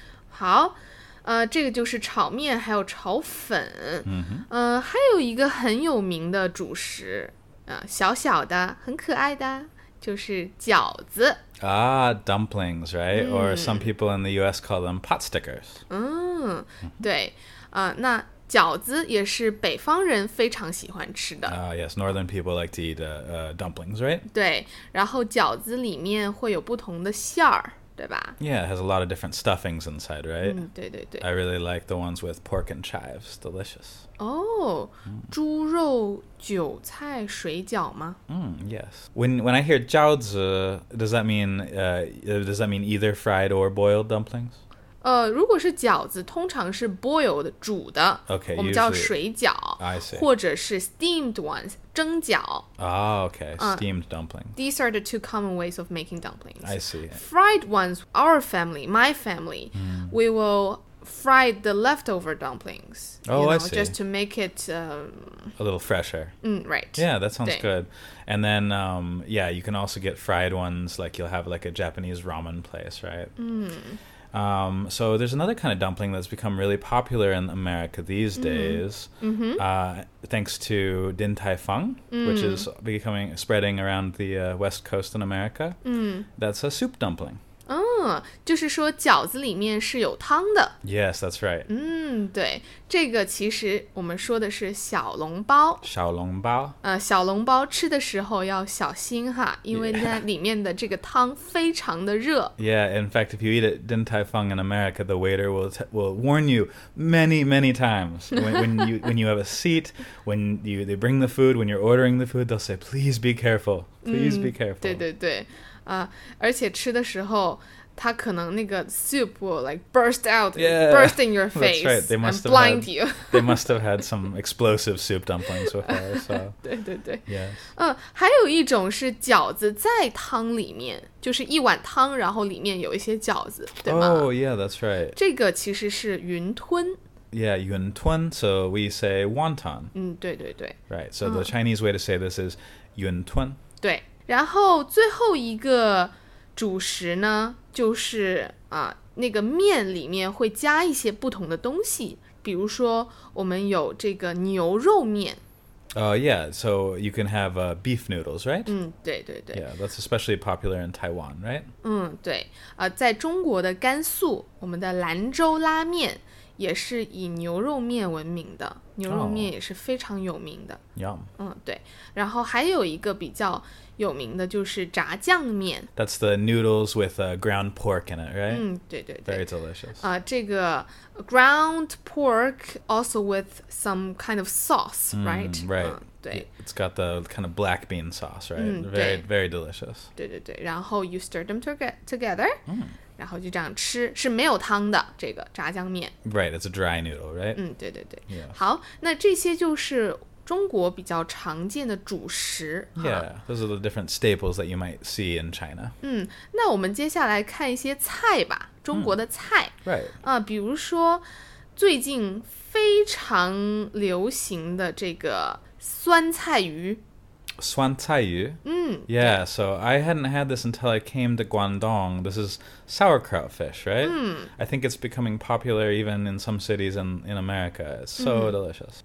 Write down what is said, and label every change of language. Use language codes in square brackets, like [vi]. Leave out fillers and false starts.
[zh] 好，这个就是炒面还有炒粉。还有一个很有名的主食小小的很可爱的就是饺子。 [en] Dumplings, right? Or some people in the US call them pot stickers. [zh] 对。那饺子也是北方人非常喜欢吃的。 [en] Yes, northern people like to eat dumplings, right? [zh] 对，然后饺子里面会有不同的馅儿，对吧？ [en] Yeah, it has a lot of different stuffings inside, right? [zh] 嗯，对对对。 [en] I really like the ones with pork and chives, delicious. [zh] Oh, 猪肉韭菜水饺吗？ [en] Yes. When I hear 饺子, does that mean either fried or boiled dumplings? [zh] 如果是饺子，通常是 boiled 煮的 [en] okay, [zh] 我们叫水饺 [en] usually, I see. [zh] 或者是 [en] steamed ones [zh] 蒸饺 [en] steamed dumplings These are the two common ways of making dumplings I see Fried ones, my family We will fry the leftover dumplings I see Just to make it A little fresher Right Yeah, that sounds good And then, you can also get fried ones Like you'll have like a Japanese ramen place, right? So there's another kind of dumpling that's become really popular in America these days, thanks to Din Tai Fung, which is spreading around the west coast in America. That's a soup dumpling. [zh] Oh, 就是说饺子里面是有汤的。 [en] Yes, that's right. [zh] 对，这个其实我们说的是小笼包。小笼包。小笼包吃的时候要小心哈，因为那里面的这个汤非常的热。 [en] Yeah, in fact, if you eat at Din Tai Fung in America, the waiter will warn you many, many times. When you have a seat, when they bring the food, when you're ordering the food, they'll say, please be careful, please be careful. [zh] 对对对。而且吃的时候它可能那个 [en] soup will like burst out yeah, burst in your face that's right. they must and blind have had, you they must have had some explosive soup dumplings before so [zh] 对对对 [en] yes. [zh] 还有一种是饺子在汤里面就是一碗汤然后里面有一些饺子对吗 [en] oh yeah that's right [zh] 这个其实是云吞 [en] yeah 云吞 so we say wonton [zh] 对对对 [en] right so the Chinese way to say this is 云吞 [zh] 对然后最后一个主食呢，就是那个面里面会加一些不同的东西，比如说我们有这个牛肉面。 [en] So you can have beef noodles, right? [zh] 对对对。 [en] Yeah, that's especially popular in Taiwan, right? [zh] 对。在中国的甘肃，我们的兰州拉面也是以牛肉面闻名的，牛肉面也是非常有名的。 [en] Yum. [zh] 对。然后还有一个比较。有名的就是炸酱面 [en] That's the noodles with ground pork in it, right? [zh] 对对对 [en] Very delicious 这个 ground pork also with some kind of sauce, right? Right [zh] 对 [en] It's got the kind of black bean sauce, right? Very, very delicious [zh] 对对对然后 [en] you stir them together [zh] 然后就这样吃是没有汤的这个炸酱面 [en] Right, it's a dry noodle, right? [zh] 对对对、 [en] yes. [zh] 好那这些就是中国比较常见的主食 [en] Yeah, those are the different staples that you might see in China [zh] 那我们接下来看一些菜吧中国的菜 [en] Right [zh] 比如说最近非常流行的这个酸菜鱼 [en] 酸菜鱼 Yeah, so I hadn't had this until I came to Guangdong This is sauerkraut fish, right? I think it's becoming popular even in some cities in America It's so delicious